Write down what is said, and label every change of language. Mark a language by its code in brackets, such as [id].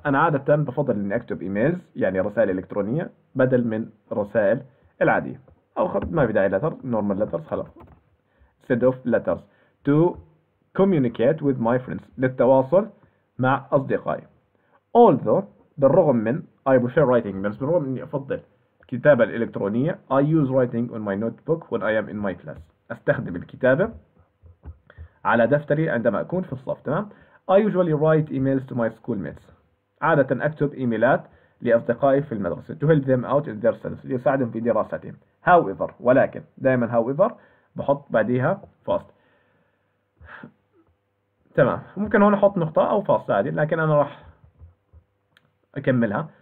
[ar] أنا عادة بفضل إني أكتب إيميلز، يعني رسائل إلكترونية، بدل من رسائل العادية، أو ما في داعي letters، [en] normal letters [ar] خلاص، [en] instead of letters to communicate with my friends، [ar] للتواصل مع أصدقائي. [en] Although [ar] بالرغم من [en] I prefer writing emails، [ar] بالرغم إني أفضل الكتابة الإلكترونية. [en] I use writing on my notebook when I am in my class، [ar] أستخدم الكتابة على دفتري عندما أكون في الصف، [en] تمام. I usually write emails to my schoolmates، [ar] عادة أكتب إيميلات لأصدقائي في المدرسة. [en] To help them out in their studies، [ar] ليساعدهم في دراستهم. However، ولكن دائما however بحط بعديها فاصل، تمام. ممكن هون أحط نقطة أو فاصل عادي، لكن أنا راح أكملها.